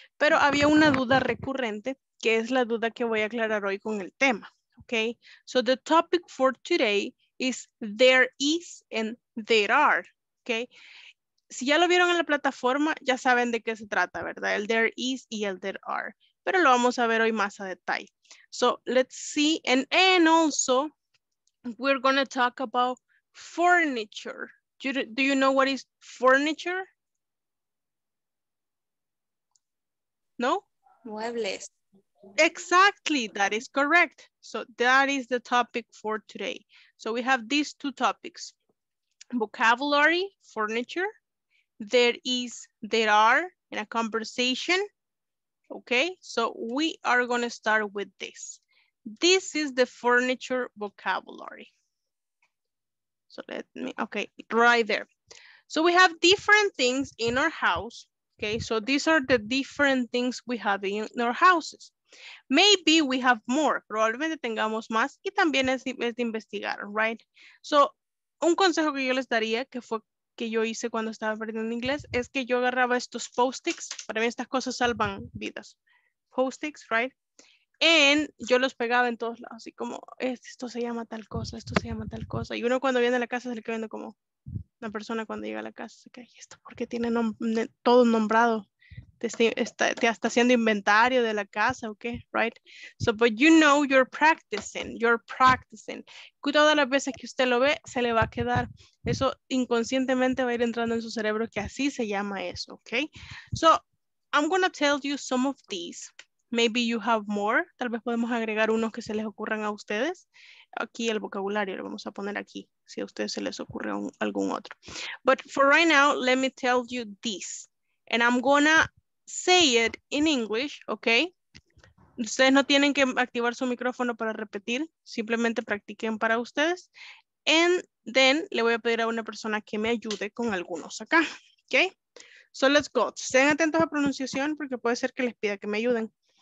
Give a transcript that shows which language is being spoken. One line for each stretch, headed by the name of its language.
Spanish: Pero había una duda recurrente, que es la duda que voy a aclarar hoy con el tema.
English: Okay. So the topic for today is there is and there are. Okay.
Spanish: Si ya lo vieron en la plataforma, ya saben de qué se trata, ¿verdad? El there is y el there are. Pero lo vamos a ver hoy más a detalle.
English: So let's see, and also we're gonna talk about furniture. Do you know what is furniture? No?
Spanish: Muebles.
English: Exactly, that is correct. So that is the topic for today. So we have these two topics. Vocabulary, furniture. There is, there are, in a conversation. Okay, so we are going to start with this. This is the furniture vocabulary. So let me, okay, right there. So we have different things in our house. Okay, so these are the different things we have in our houses. Maybe we have more.
Spanish: Probablemente tengamos más y también es de investigar,
English: right? So
Spanish: un consejo que yo les daría que fue que yo hice cuando estaba aprendiendo inglés, es que yo agarraba estos post-its. Para mí estas cosas salvan vidas. Post-its,
English: right? And
Spanish: yo los pegaba en todos lados. Así como, esto se llama tal cosa, esto se llama tal cosa. Y uno cuando viene a la casa se le queda viendo como una persona cuando llega a la casa. Se cae, ¿esto por qué tiene todo nombrado? Te está haciendo inventario de la casa, ¿ok?
English: Right? So, but you know you're practicing, you're practicing.
Spanish: Todas las veces que usted lo ve, se le va a quedar. Eso inconscientemente va a ir entrando en su cerebro que así se llama eso, ¿ok?
English: So, I'm gonna tell you some of these. Maybe you have more.
Spanish: Tal vez podemos agregar unos que se les ocurran a ustedes. Aquí el vocabulario lo vamos a poner aquí, si a ustedes se les ocurre algún otro.
English: But for right now, let me tell you this. And I'm gonna say it in English, okay?
Spanish: Ustedes no tienen que activar su micrófono para repetir, simplemente practiquen para ustedes.
English: And then
Spanish: le voy a pedir a una persona que me ayude con algunos acá,
English: okay? So let's go.
Spanish: Estén atentos a pronunciación porque puede ser que les pida que me ayuden.